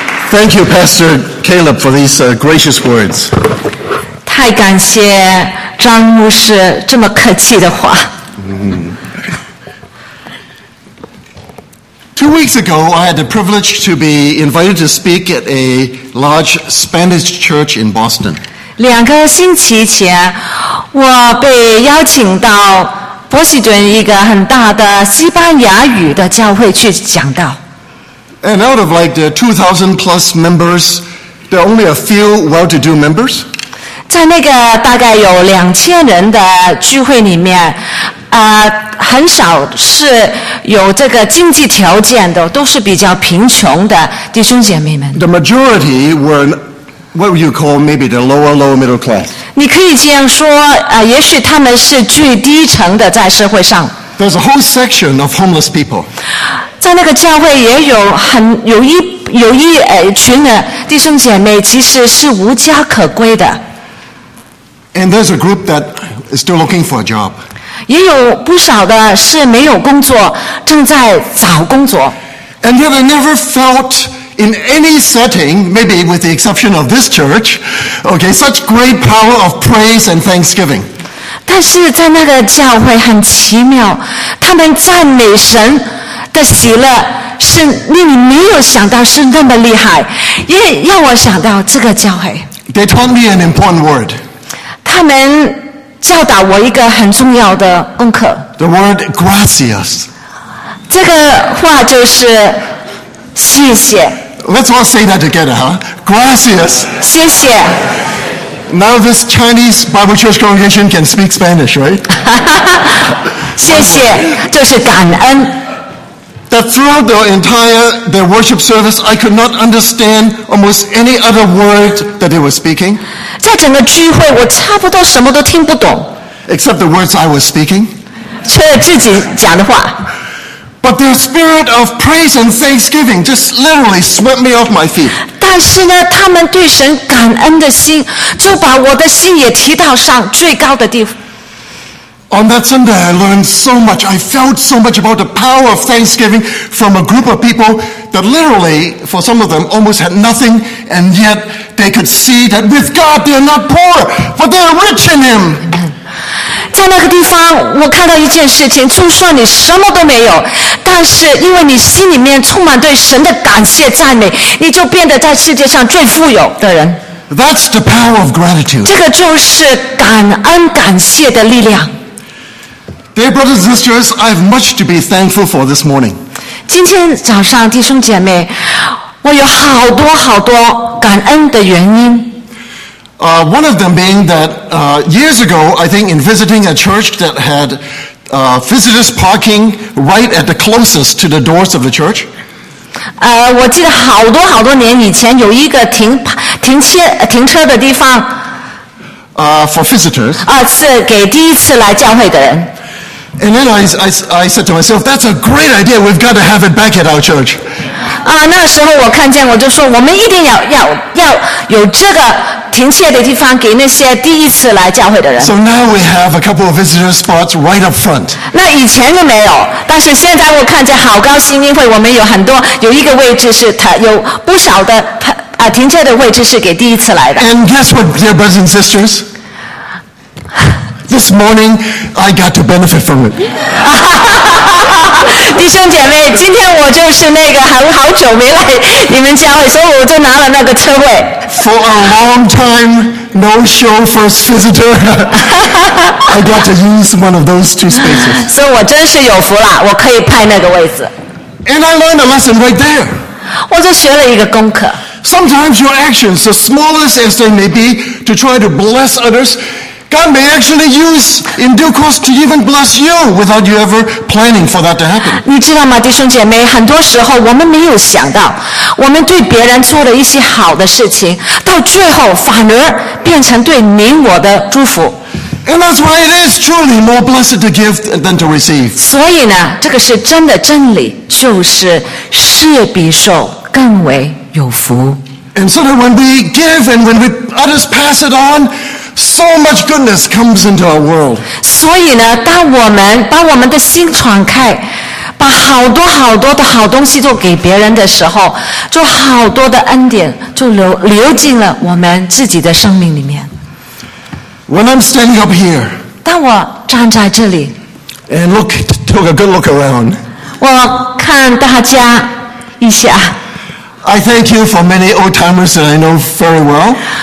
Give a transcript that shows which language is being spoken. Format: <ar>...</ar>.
<en>Thank you, Pastor Caleb, for these gracious words.</en> <zh>太感谢张牧师这么客气的话。</zh> <en>Two weeks ago, I had the privilege to be invited to speak at a large Spanish church in Boston.</en> <zh>两个星期前，我被邀请到波士顿一个很大的西班牙语的教会去讲道。</zh> <en>And out of like the 2,000 plus members, there are only a few well-to-do members.</en> <zh>在那个大概有2000人的聚会里面，很少是有这个经济条件的，都是比较贫穷的弟兄姐妹们。</zh> <en>The majority were what you call maybe the lower middle class.</en> <zh>你可以这样说，也许他们是最低层的在社会上。</zh> <en>There's a whole section of homeless people.</en> <zh>在那个教会也有很有一群的弟兄姐妹，其实是无家可归的。</zh> <en>And there's a group that is still looking for a job.</en> <zh>也有不少的是没有工作，正在找工作。</zh> <en>And yet I never felt in any setting, maybe with the exception of this church, okay, such great power of praise and thanksgiving.</en> <zh>但是在那个教会很奇妙，他们赞美神的喜乐是令你没有想到是那么厉害，也让我想到这个教会。</zh> <en>They taught me an important word.</en> <zh>他们教导我一个很重要的功课。</zh> <en>The word gracias.</en> <zh>这个话就是谢谢。</zh> <en>Let's all say that together, huh?</en> <es>Gracias.</es> <zh>谢谢。</zh> <en>Now this Chinese Bible Church congregation can speak Spanish, right?</en> <zh>谢谢，就是感恩。</zh> <en>That throughout their worship service, I could not understand almost any other word that they were speaking.</en> <zh>在整个聚会，我差不多什么都听不懂。</zh> <en>Except the words I was speaking.</en> <zh>除了自己讲的话。</zh> <en>But their spirit of praise and thanksgiving just literally swept me off my feet.</en> <zh>但是呢，他们对神感恩的心，就把我的心也提到上最高的地方。</zh> <en>On that Sunday, I learned so much. I felt so much about the power of thanksgiving from a group of people that literally, for some of them, almost had nothing, and yet they could see that with God, they are not poor, but they are rich in Him.</en> <zh>在那个地方，我看到一件事情：就算你什么都没有，但是因为你心里面充满对神的感谢赞美，你就变得在世界上最富有的人。</zh> <en>That's the power of gratitude.</en> <zh>这个就是感恩感谢的力量。</zh> <en>Dear brothers and sisters, I have much to be thankful for this morning.</en> <zh>今天早上，弟兄姐妹，我有好多好多感恩的原因。</zh> <en>One of them being that years ago, I think in visiting a church that had visitors parking right at the closest to the doors of the church.</en> <zh>我记得好多好多年以前有一个停车的地方。</zh> <en>For visitors.</en> <zh>是给第一次来教会的人。</zh> <en>And then I said to myself, that's a great idea, we've got to have it back at our church.</en> <zh>那时候我看见我就说我们一定要有这个停车的地方给那些第一次来教会的人。</zh> <en>So now we have a couple of visitor spots right up front.</en> <zh>那以前就没有，但是现在我看见好高兴，因为我们有很多有一个位置是有不少的停车的位置是给第一次来的。</zh> <en>And guess what, dear brothers and sisters? This morning, I got to benefit from it.</en> <zh>弟兄姐妹，今天我就是那个很好久没来你们教会，所以我就拿了那个车位。</zh> <en>For a long time, no show first visitor. I got to use one of those two spaces.</en> <zh>所以我真是有福了，我可以派那个位置。</zh> <en>And I learned a lesson right there.</en> <zh>我就学了一个功课。</zh> <en>Sometimes your actions, the smallest as they may be, to try to bless others,God may actually use in due course to even bless you without you ever planning for that to happen.</en> <zh>你知道吗，弟兄姐妹，很多时候我们没有想到，我们对别人做了一些好的事情，到最后反而变成对您我的祝福。</zh> <en>And that's why it is truly more blessed to give than to receive.</en> <zh>所以呢，这个是真的真理，就是施比受更为有福。</zh> <en>And so that when we give and when we others pass it on,So much goodness comes into our world.</en> <zh>所以呢，当我们把我们的心敞开，把好多好多的好东西都给别人的时候，就好多的恩典就流进了我们自己的生命里面。</zh> <en>When I'm standing up here,</en> <zh>当我站在这里</zh> <en>and look, took a good look around,</en> <zh>我看大家一下。</zh> <en>I thank you for many old timers that I know very well.</en>